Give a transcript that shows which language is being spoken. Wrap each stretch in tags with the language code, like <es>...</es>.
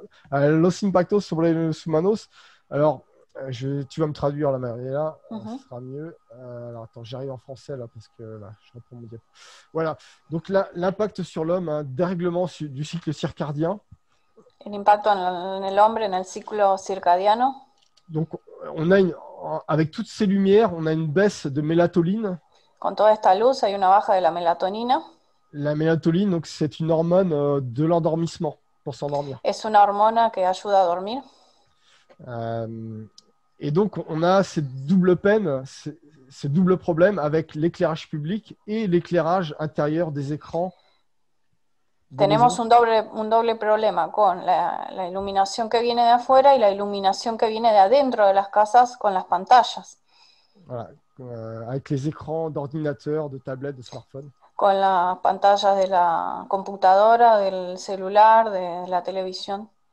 <es>Los impactos sobre los humanos.</es> <fr>Alors. Tu vas me traduire la manière. Et là, ce sera mieux. Alors, attends, j'arrive en français là parce que là, je reprends mon diapo. Voilà. Donc, l'impact sur l'homme, hein, dérèglement du cycle circadien.</fr> <es>El impacto en el hombre, en el ciclo circadiano.</es> <fr>Donc, avec toutes ces lumières, on a une baisse de mélatonine.</fr> <es>Con toda esta luz hay una baja de la melatonina.</es> <fr>La mélatonine, donc, c'est une hormone de l'endormissement pour s'endormir.</fr> <es>Es una hormona que ayuda a dormir.</es> <fr>Et donc, on a cette double peine, ce double problème avec l'éclairage public et l'éclairage intérieur des écrans de</fr> <es>Tenemos</es> <fr>maison.</fr> <es>un doble problema con la iluminación que viene de afuera y la iluminación que viene de adentro de las casas con las pantallas.</es> <fr>Voilà. Avec les écrans d'ordinateur, de tablette, de smartphone.</fr> <es>Con las pantallas de la computadora, del celular, de la televisión.</es>